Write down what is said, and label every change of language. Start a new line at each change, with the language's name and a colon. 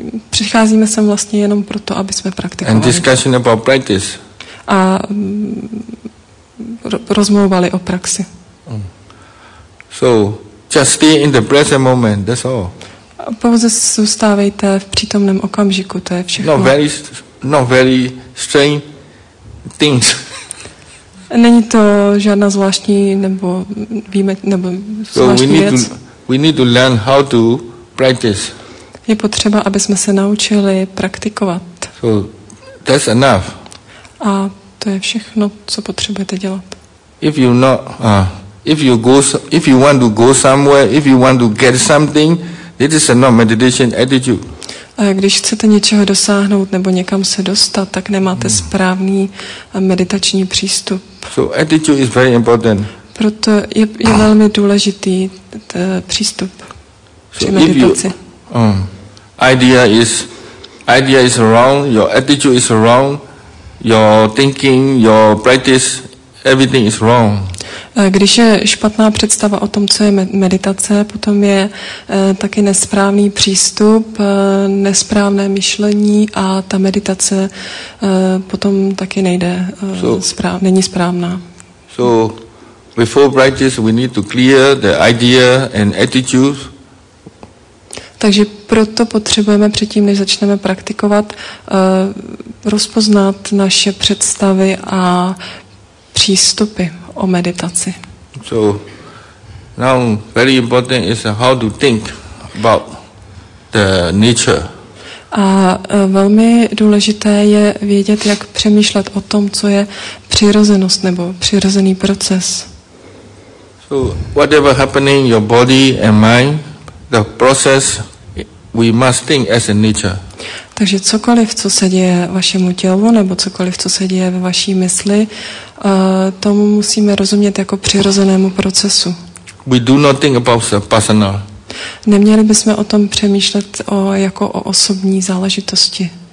Czech: Přicházíme sem vlastně jenom proto, aby jsme praktikovali.
English: And discussion about practice.
Czech: A rozmlouvali o praxi.
English: So, just stay in the present moment, that's all.
Czech: Pouze zůstávejte v přítomném okamžiku, to je všechno.
English: Not very strange things.
Czech: Není to žádná zvláštní nebo víme nebo zvláštní věc.
English: We need to learn how to practice.
Czech: Je potřeba, aby jsme se naučili praktikovat.
English: So that's enough.
Czech: A to je všechno, co potřebujete dělat.
English: If you want to get something, this is not meditation attitude.
Czech: Když chcete něčeho dosáhnout nebo někam se dostat, tak nemáte správný meditační přístup.
English: So attitude is very important.
Czech: Proto je velmi důležitý přístup při meditaci.
English: Idea is wrong, your attitude is wrong, your thinking, your practice, everything is wrong.
Czech: Když je špatná představa o tom, co je meditace, potom je taky nesprávný přístup, nesprávné myšlení a ta meditace potom taky nejde, není správná.
English: So before practice we need to clear the idea and attitude.
Czech: Takže proto potřebujeme předtím, než začneme praktikovat, rozpoznat naše představy a přístupy o meditaci.
English: So now very important is how to think about the nature.
Czech: A velmi důležité je vědět, jak přemýšlet o tom, co je přirozenost nebo přirozený proces.
English: So whatever happening your body and mind, the process we must think as a nature.
Czech: Takže cokoliv, co se děje vašemu tělu, nebo cokoliv, co se děje ve vaší mysli, tomu musíme rozumět jako přirozenému procesu.
English: We do not think about personal.
Czech: Neměli bychom o tom přemýšlet jako o osobní záležitosti.